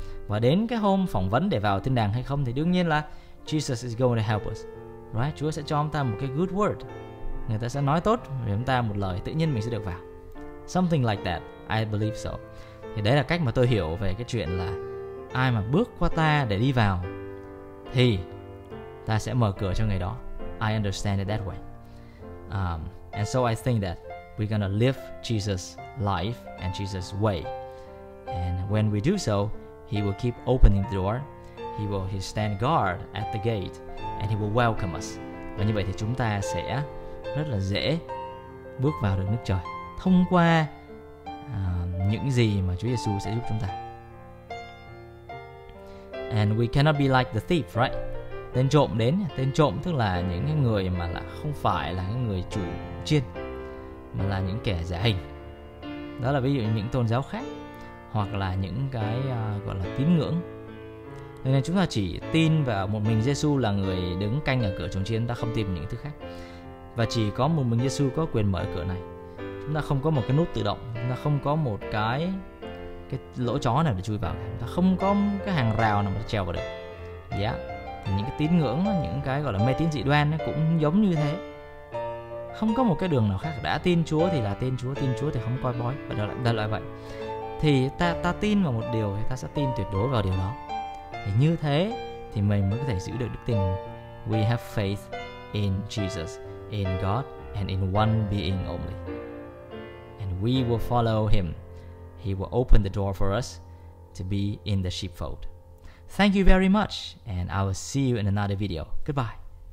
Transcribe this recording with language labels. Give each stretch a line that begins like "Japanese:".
Vietnamese: Và đến cái hôm phỏng vấn để vào thiên đàng hay không thì đương nhiên là
English: Jesus is going to help us. Right?
Vietnamese: Chúa sẽ cho chúng ta một cái good word. Người ta sẽ nói tốt với chúng ta một lời, tự nhiên mình sẽ được vào.
English: Something like that, I believe so.
Vietnamese: Thì đấy là cách mà tôi hiểu về cái chuyện là ai mà bước qua ta để đi vào thì ta sẽ mở cửa cho người đó.
English: I understand it that way. And so I think that we're gonna live Jesus' life and Jesus' way. And when we do so, he will keep opening the door. He will stand guard at the gate and he will welcome us.
Vietnamese: Và như vậy thì chúng ta sẽ rất là dễ bước vào được nước trời thông qua những gì mà Chúa Giêsu sẽ giúp chúng ta.
English: And we cannot be like the thief, right?
Vietnamese: Tên trộm đến, tên trộm tức là những cái người mà là không phải là những người chủ chiên, mà là những kẻ giả hình. Đó là ví dụ những tôn giáo khác, hoặc là những cái gọi là tín ngưỡng. Nên là chúng ta chỉ tin vào một mình Giêsu là người đứng canh ở cửa chủ chiên, ta không tìm những thứ khác. Và chỉ có một mình Giêsu có quyền mở cửa này. Chúng ta không có một cái nút tự động, chúng ta không có một cái lỗ chó nào để chui vào, chúng ta không có cái hàng rào nào mà trèo vào được. Thì những cái tín ngưỡng, những cái gọi là mê tín dị đoan cũng giống như thế. Không có một cái đường nào khác. Đã tin Chúa thì là tin Chúa thì không coi bói, và đại loại vậy. Thì ta tin vào một điều thì ta sẽ tin tuyệt đối vào điều đó. Thì như thế thì mình mới có thể giữ được đức tin.
English: We have faith in Jesus, in God and in one being only. And we will follow him. He will open the door for us to be in the sheepfold. Thank you very much, and I will see you in another video. Goodbye.